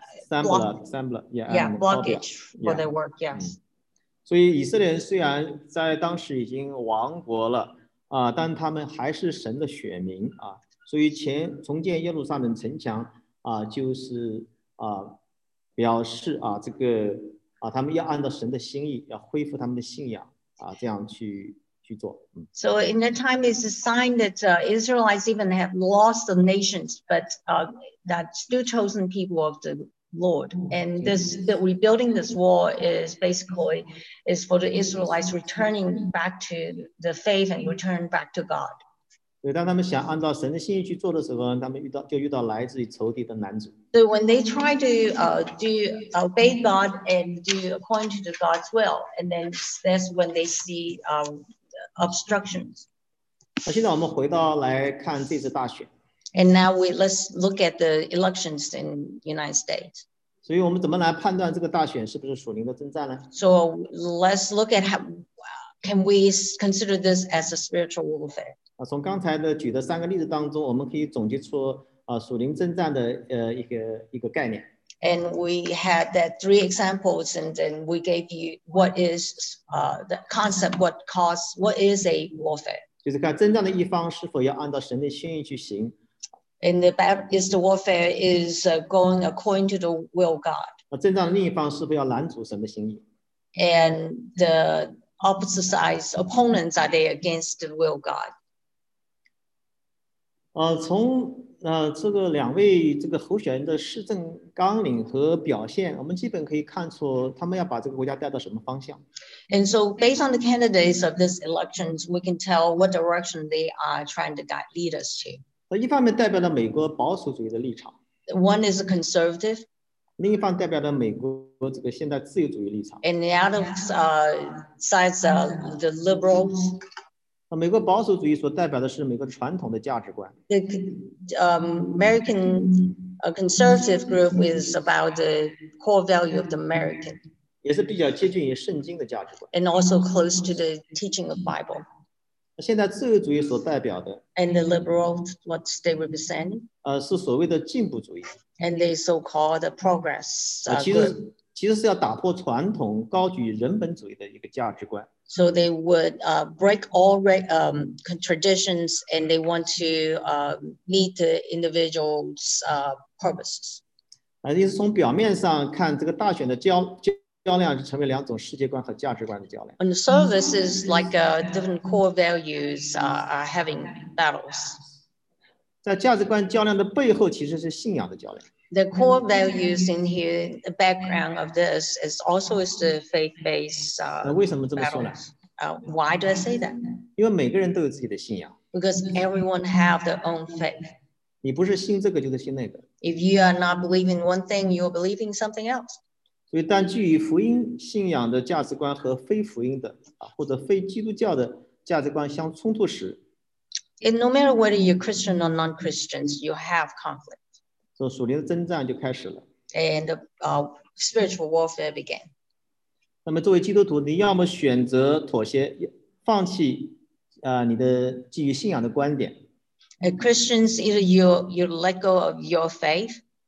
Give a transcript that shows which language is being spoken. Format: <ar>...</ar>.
<en>So in the time it's a sign that Israelites even have lost the nations, but that still chosen people of the Lord. And this the rebuilding this wall is basically is for the Israelites returning back to the faith and return back to God.</en> <zh>对，当他们想按照神的心意去做的时候，他们遇到来自于仇敌的拦阻。</zh> <en>So when they try to obey God and do according to God's will, and then that's when they see obstructions.</en> <zh>那现在我们回到来看这次大选。</zh> <en>And now let's look at the elections in the United States.</en> <zh>所以我们怎么来判断这个大选是不是属灵的征战呢？</zh> <en>So let's look at how can we consider this as a spiritual warfare.</en> <zh>从刚才的举的三个例子当中，我们可以总结出属灵征战的一个概念。</zh> <en>And we had that three examples, and then we gave you what is the concept, what is a warfare.</en> <zh>就是看征战的一方是否要按照神的心意去行。</zh> <en>And the battle is the warfare is going according to the will of God.</en> <zh>征战的另一方是否要拦阻神的心意。</zh> <en>And the opposite side opponents are they against the will of God?</en> <zh>从这个两位这个候选人的施政纲领和表现，我们基本可以看出他们要把这个国家带到什么方向。</zh> <en>And so, based on the candidates of this election, we can tell what direction they are trying to guide lead us to.</en> <zh>一方面代表了美国保守主义的立场。</zh> <en>One is a conservative.</en> <zh>另一方代表了美国这个现代自由主义立场。</zh> <en>And the other sides are the liberals.</en> <zh>美国保守主义所代表的是美国传统的价值观。</zh> <en>The American conservative group is about the core value of the American.</en> <zh>也是比较接近于圣经的价值观。</zh> <en>And also close to the teaching of Bible.</en> <zh>现在自由主义所代表的。</zh> <en>And the liberals, what they represent.</en> <zh>是所谓的进步主义。</zh> <en>And they so-called the progress group.</en> <zh>其实是要打破传统高举人本主义的一个价值观。</zh> <en>So they would break all traditions and they want to meet the individual's purposes.</en> <zh>也是从表面上看这个大选的较量是成为两种世界观和价值观的较量。</zh> <en>And the service is like different core values are having battles.</en> <zh>在价值观较量的背后其实是信仰的较量。</zh> <en>The core values in here, the background of this is also is the faith-based battles.</en> <zh>为什么这么说呢？</zh> <en>Why do I say that?</en> <zh>因为每个人都有自己的信仰。</zh> <en>Because everyone have their own faith.</en> <zh>你不是信这个就是信那个。</zh> <en>If you are not believing one thing, you are believing something else.</en> <zh>所以但基于福音信仰的价值观和非福音的或者非基督教的价值观相冲突时。</zh> <en>And no matter whether you're Christian or non-Christians, you have conflict.</en> <zh>So, 属灵的征战就开始了。</zh> <en>And the spiritual warfare began.</en> <zh>那么作为基督徒，你要么选择妥协，放弃你的基于信仰的观点。</zh> <en>And Christians, either you let go of your faith.</en>